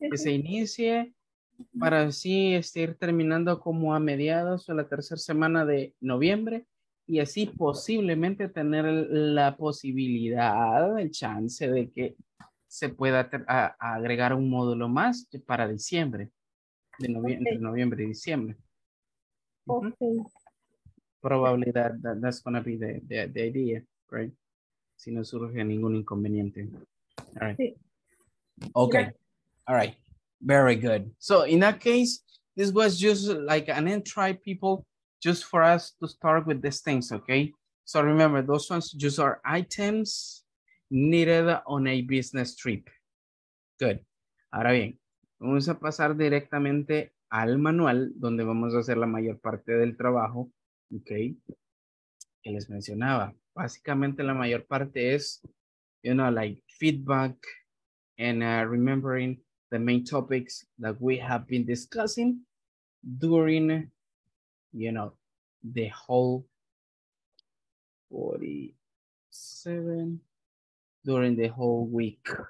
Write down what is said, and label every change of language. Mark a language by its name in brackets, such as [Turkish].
[Spanish] Se inicie para así ir terminando como a mediados o la tercera semana de noviembre. Y así posiblemente tener la posibilidad, el chance de que se pueda agregar un módulo más para diciembre, de entre noviembre y diciembre. [English] Okay. Probabilidad, that's going to be the idea, right? [Spanish] Si no surge ningún inconveniente. All right. Sí. [English] Okay. Yeah. All right. Very good. So in that case, this was just like an entry, people. Just for us to start with these things, okay? So remember, those ones just are items needed on a business trip. Good. [Spanish] Ahora bien, vamos a pasar directamente al manual donde vamos a hacer la mayor parte del trabajo, okay? Que les mencionaba. Básicamente la mayor parte es, [English] you know, like feedback and remembering the main topics that we have been discussing during, you know, the whole 47 during the whole week.